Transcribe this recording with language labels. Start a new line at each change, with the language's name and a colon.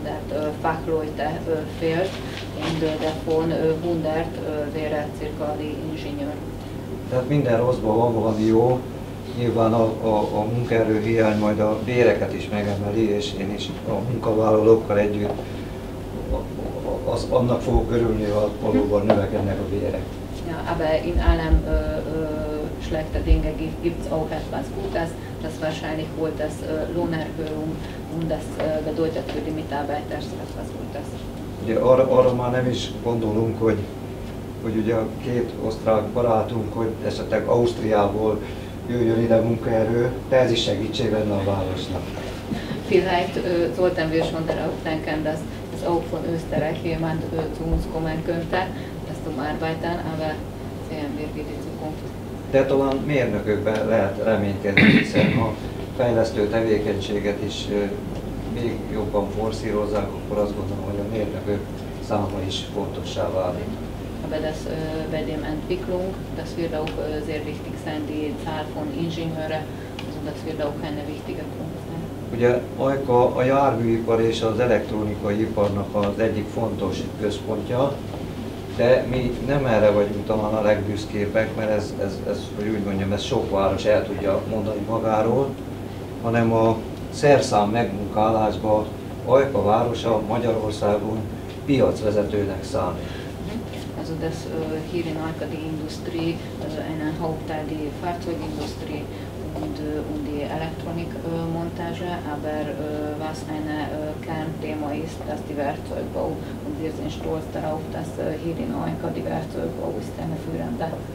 German: 600-700 Fachleute fehlt, und davon 100 wäre ca. die Ingenieur.
Hungarian: Tehát minden rosszban van valami jó, nyilván a munkaerő hiány majd a béreket is megemeli, és én is a munkavállalókkal együtt az annak fogok örülni, ha valóban növekednek a bérek.
German: Ja, aber in allem schlechte Dinge gibt's auch etwas Gutes, das wahrscheinlich
Hungarian: volt
German: das Lohnerhöhung und das bedeutet für die Mitarbeiter etwas Gutes.
Hungarian: Ugye arra már nem is gondolunk, hogy ugye a két osztrák barátunk, hogy esetleg Ausztriából jöjjön ide munkaerő, de ez is segítség lenne a városnak.
German: Vielleicht sollten wir schon darauf denken, dass es auch von Österreich jemand zu uns kommen könnte, das zum Arbeiten, aber sehen wir wie die Zukunft.
Hungarian: De talán mérnökökben lehet reménykedni, hiszen ha fejlesztő tevékenységet is még jobban forszírozzák, akkor azt gondolom, hogy a mérnökök száma is fontossá válik.
German: Aber das bei dem Entwicklung, das wird auch sehr wichtig sein, die Zahl von Ingenieure, also das wird auch eine wichtige Punkt sein.
Hungarian: Ugye Ajka a járműipar és az elektronikai iparnak az egyik fontos központja, de mi nem erre vagyunk talán a legbüszkébbek, mert ez hogy úgy mondjam, ez sok város el tudja mondani magáról, hanem a szerszám megmunkálásban Ajka városa Magyarországon piacvezetőnek számít.
German: Also dass hier in Ajka die Industrie, also einen Hauptteil die Fahrzeugindustrie und die Elektronikmontage, aber was ein Kernthema ist, dass die Werkzeugbau, und wir sind stolz darauf, dass hier in Ajka die Werkzeugbau ist eine führende